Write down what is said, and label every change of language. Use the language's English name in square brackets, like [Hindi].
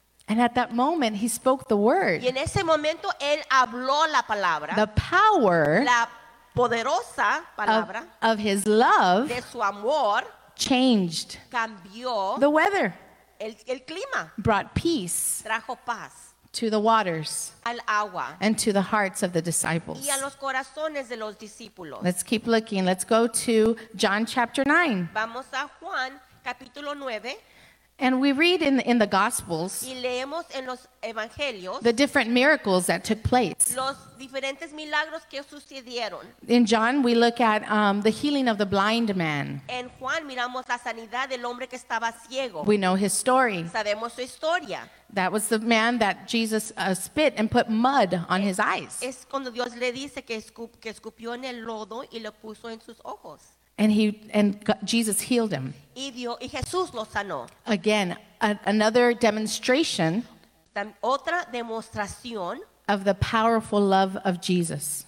[English] And at that moment, he spoke the word. [Spanish] Y en ese momento, él habló la palabra. [English] The power, [Spanish] la poderosa palabra, [English] of his love, [Spanish] de su amor, [English] changed, [Spanish] cambió [English] the weather, [Spanish] el clima, [English] brought peace, [Spanish] trajo paz, [English] to the waters, [Spanish] al agua, [English] and to the hearts of the disciples, [Spanish] y a los corazones de los discípulos. [English] Let's keep looking. Let's go to John chapter 9. [Spanish] Vamos a Juan capítulo 9. [English] And we read in the Gospels, [Spanish] y leemos en los evangelios, [English] the different miracles that took place. [Spanish] Los diferentes milagros que sucedieron. [English] In John, we look at the healing of the blind man. [Spanish] En Juan, miramos la sanidad del hombre que estaba ciego. [English] We know his story. [Spanish] Sabemos su historia. [English] That was the man that Jesus spit and put mud on his eyes. [Spanish] Es cuando Dios le dice que escupió en el lodo y lo puso en sus ojos. [English] And Jesus healed him. [Spanish] Y Jesús lo sanó. [English] Again, another demonstration [Spanish] otra demostración [English] of the powerful love of Jesus.